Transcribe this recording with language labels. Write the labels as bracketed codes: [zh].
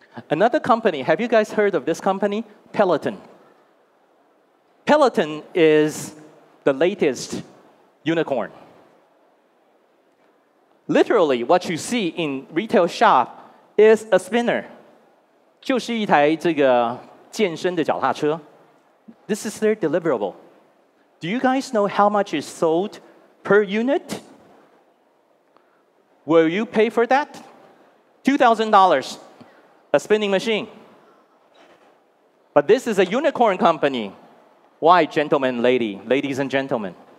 [en] Another company, have you guys heard of this company? Peloton. Peloton is the latest unicorn. Literally, what you see in retail shop is a spinner. [zh] 就是一台这个健身的脚踏车. [en] This is their deliverable. Do you guys know how much is sold per unit? Will you pay for that? $2,000, a spinning machine. But this is a unicorn company. Why, gentlemen, ladies and gentlemen?